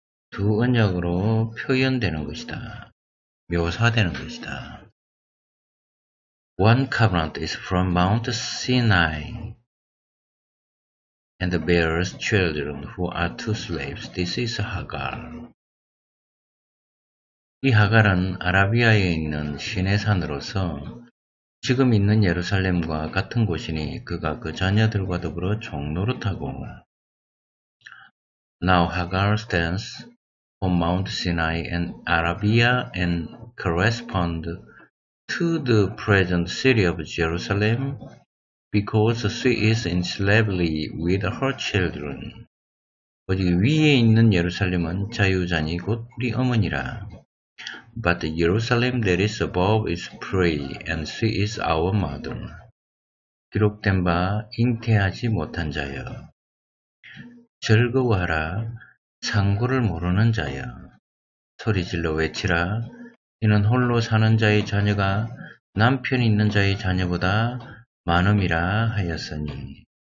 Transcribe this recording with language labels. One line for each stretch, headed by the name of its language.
Korean: 두 언약으로 표현되는 것이다. 묘사되는 것이다.
English: One covenant is from Mount Sinai and bears children who are two slaves. This is Hagar.
Korean: 이 하갈은 아라비아에 있는 시내산으로서 지금 있는 예루살렘과 같은 곳이니 그가 그 자녀들과 더불어 종노릇하고.
English: Now Hagar stands on Mount Sinai and Arabia and correspond to the present city of Jerusalem because she is in slavery with her children.
Korean: 어디 위에 있는 예루살렘은 자유자니 곧 우리 어머니라.
English: But the Jerusalem that is above is free and she is our mother.
Korean: 기록된 바 잉태하지 못한 자여. 즐거워하라 상고를 모르는 자여. 소리질러 외치라. 이는 홀로 사는 자의 자녀가 남편이 있는 자의 자녀보다 많음이라 하였으니.